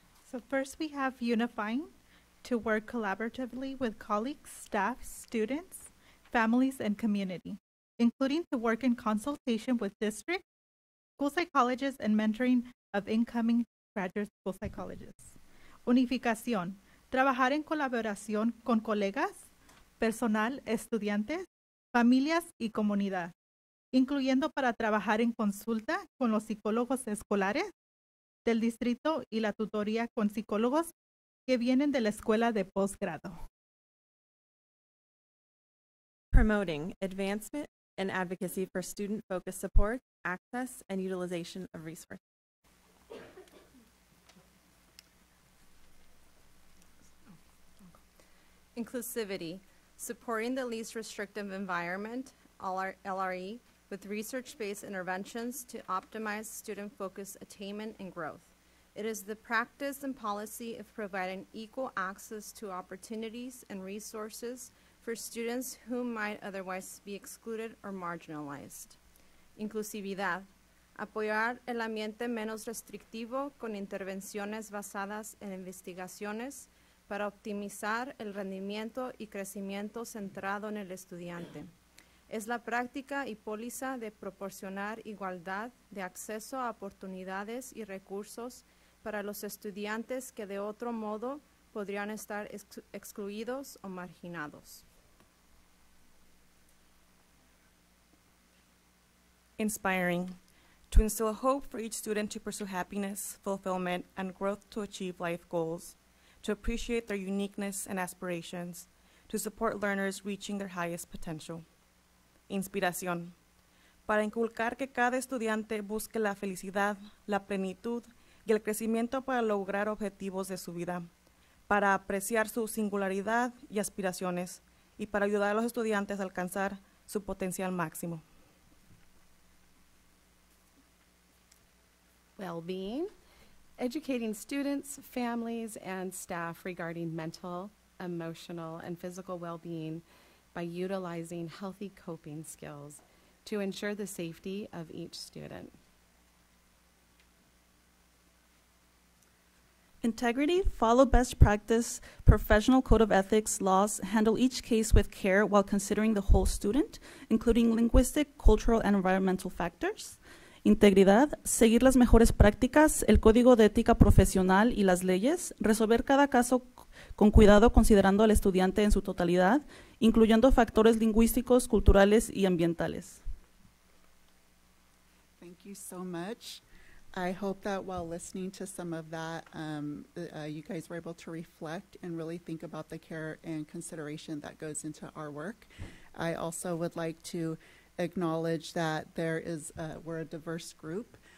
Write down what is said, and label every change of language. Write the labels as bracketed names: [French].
[English] So first we have unifying, to work collaboratively with colleagues, staff, students, families, and community, including to work in consultation with district, school psychologists, and mentoring of incoming graduate school psychologists. [Spanish] Unificación, trabajar en colaboración con colegas, personal, estudiantes, familias y comunidad, incluyendo para trabajar en consulta con los psicólogos escolares del distrito y la tutoría con psicólogos que vienen de la escuela de posgrado. [English] Promoting advancement and advocacy for student-focused support, access, and utilization of resources. Inclusivity. Supporting the least restrictive environment, LRE, with research-based interventions to optimize student-focused attainment and growth. It is the practice and policy of providing equal access to opportunities and resources for students who might otherwise be excluded or marginalized. [Spanish] Inclusividad, apoyar el ambiente menos restrictivo con intervenciones basadas en investigaciones para optimizar el rendimiento y crecimiento centrado en el estudiante. Es la práctica y póliza de proporcionar igualdad de acceso a oportunidades y recursos para los estudiantes que de otro modo podrían estar excluidos o marginados. [English] Inspiring, to instill hope for each student to pursue happiness, fulfillment, and growth to achieve life goals, to appreciate their uniqueness and aspirations, to support learners reaching their highest potential. [Spanish] Inspiración, para inculcar que cada estudiante busque la felicidad, la plenitud, y el crecimiento para lograr objetivos de su vida, para apreciar su singularidad y aspiraciones, y para ayudar a los estudiantes a alcanzar su potencial máximo. [English] Well-being, educating students, families, and staff regarding mental, emotional, and physical well-being by utilizing healthy coping skills to ensure the safety of each student. Integrity, follow best practice, professional code of ethics, laws, handle each case with care while considering the whole student, including linguistic, cultural, and environmental factors. [Spanish] Integridad, seguir las mejores prácticas, el código de ética profesional y las leyes, resolver cada caso con cuidado considerando al estudiante en su totalidad, incluyendo factores lingüísticos, culturales y ambientales. [English] Thank you so much. I hope that while listening to some of that, you guys were able to reflect and really think about the care and consideration that goes into our work. I also would like to acknowledge that there is we're a diverse group.